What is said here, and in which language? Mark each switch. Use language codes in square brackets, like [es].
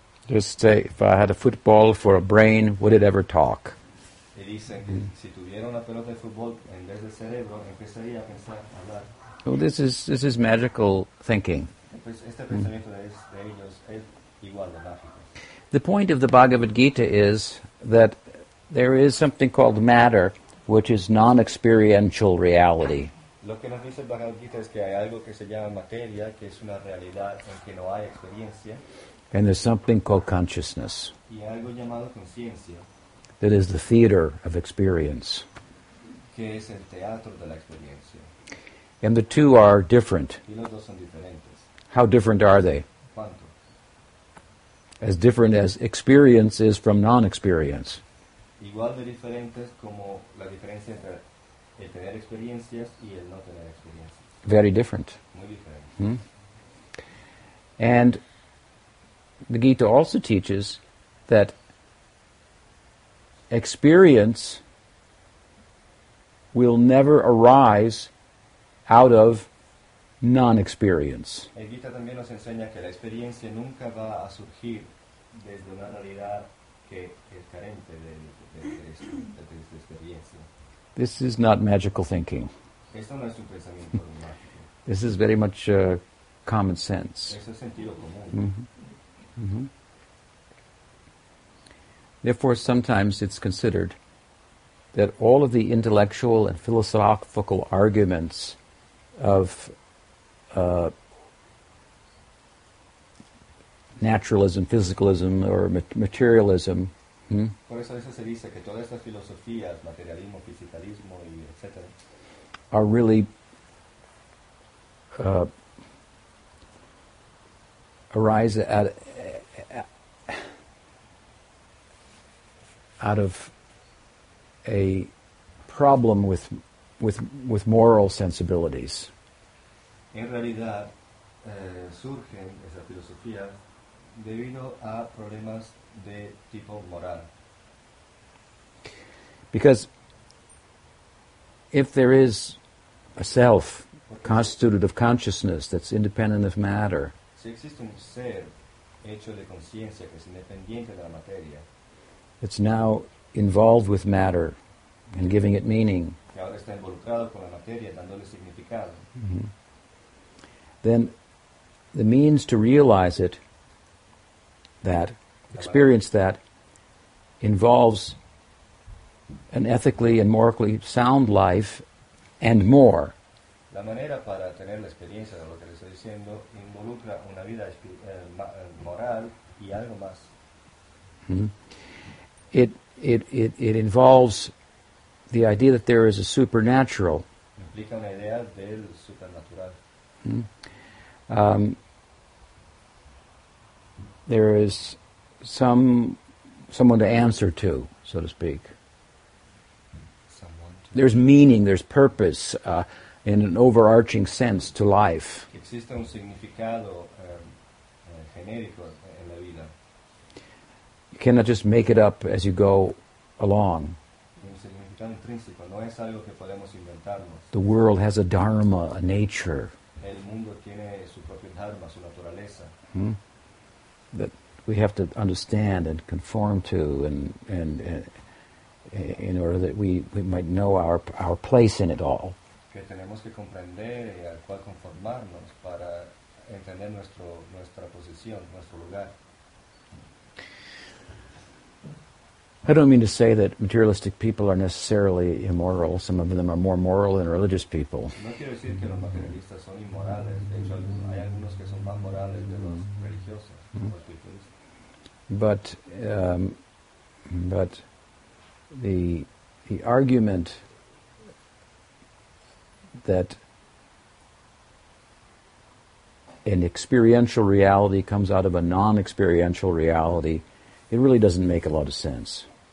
[en] Just say, if I had a football for a brain, would it ever talk? [es] Y dicen que si tuviera una pelota de fútbol en vez del cerebro, empezaría a pensar, a hablar. [en] Well, this is magical thinking. [es] Pues este pensamiento de ellos es igual de mágico. [en] The point of the Bhagavad Gita is that there is something called matter, which is non-experiential reality. [es] Lo que nos dice el Bhagavad Gita es que hay algo que se llama materia, que es una realidad en que no hay experiencia. [en] And there's something called consciousness. [es] Y algo llamado conciencia. [en] That is the theater of experience. [es] Que es el teatro de la experiencia. [en] And the two are different. [es] Y los dos son diferentes. [en] How different are they? [es] ¿Cuánto? [en] As different as experience is from non-experience. [es] Igual de diferentes como la diferencia entre el tener experiencias y el no tener experiencias. [en] Very different. [es] Muy diferente. [en] And the Gita also teaches that experience will never arise out of non-experience. [es] El Gita también nos enseña que la experiencia nunca va a surgir desde una realidad que es carente de esta experiencia. [en] This is not magical thinking. [es] Esto no es un pensamiento mágico. [en] This is very much common sense. [es] Eso es sentido común. [en] Therefore, sometimes it's considered that all of the intellectual and philosophical arguments of naturalism, physicalism, or materialism. [es] Por eso a veces se dice que todas estas filosofías, materialismo, fisicalismo, y etc., [en] are really arise at out of a problem with moral sensibilities. [es] En realidad, surge esa filosofía debido a problemas de tipo moral. [en] Because if there is a self constituted of consciousness that's independent of matter, [es] si existe un ser hecho de conciencia que es independiente de la materia, [en] it's now involved with matter and giving it meaning, [es] que ahora está involucrado con la materia, dándole significado. Mm-hmm. [en] Then the means to realize it, that, experience that, involves an ethically and morally sound life and more. [es] La manera para tener la experiencia de lo que les estoy diciendo involucra una vida moral y algo más. Mm-hmm. [en] It involves the idea that there is a supernatural. [es] Implica una idea del supernatural. Mm-hmm. [en] There is someone to answer to, so to speak. There's meaning, there's purpose, in an overarching sense to life. [es] Existe un significado genérico en la vida. [en] You cannot just make it up as you go along. [es] Un significado intrínseco, no es algo que podemos inventarnos. [en] The world has a dharma, a nature. [es] El mundo tiene su propio dharma, su naturaleza. Hmm? [en] That we have to understand and conform to and in order that we might know our place in it all. [es] Que tenemos que comprender y al cual conformarnos para entender nuestra posición, nuestro lugar. [en] I don't mean to say that materialistic people are necessarily immoral. Some of them are more moral than religious people. [es] No quiero decir que los materialistas son inmorales. De hecho, hay algunos que son más morales de los religiosos, los espiritualistas. [en] But the argument that an experiential reality comes out of a non-experiential reality, it really doesn't make a lot of sense.